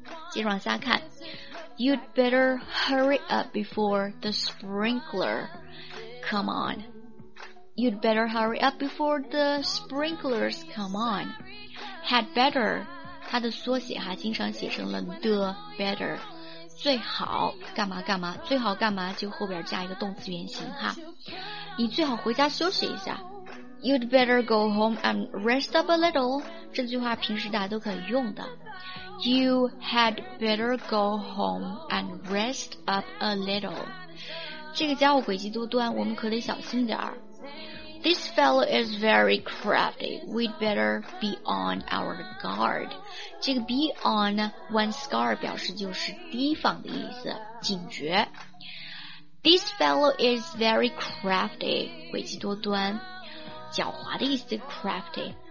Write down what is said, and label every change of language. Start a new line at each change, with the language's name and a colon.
Chinese: 接着往下看
English: You'd better hurry up before the sprinkler Come onYou'd better hurry up before the sprinklers come on.
Chinese: Had better, 它的缩写哈，经常写成了 the better, 最好干嘛干嘛，最好干嘛就后边加一个动词原形哈。你最好回家休息一下。
English: You'd better go home and rest up a little.
Chinese: 这句话平时大家都可以用的。
English: You had better go home and rest up a little.
Chinese: 这个家伙诡计多端，我们可得小心点儿。
English: This fellow is very crafty. We'd better be on our guard.
Chinese: 这个 be on one's guard 表示就是提防的意思，警觉。
English: This fellow is very crafty.
Chinese: 诡计多端，狡猾的意思
English: crafty.